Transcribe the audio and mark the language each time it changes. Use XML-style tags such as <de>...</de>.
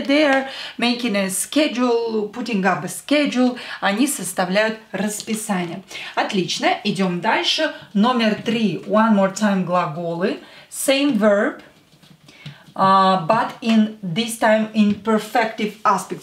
<en>They are making a schedule, putting up a schedule.</en> <ru>Они составляют расписание. Отлично. Идем дальше. Номер три.</ru> <en>One more time</en> <ru>глаголы.</ru> <en>Same verb, but in this time in perfective aspect.</en>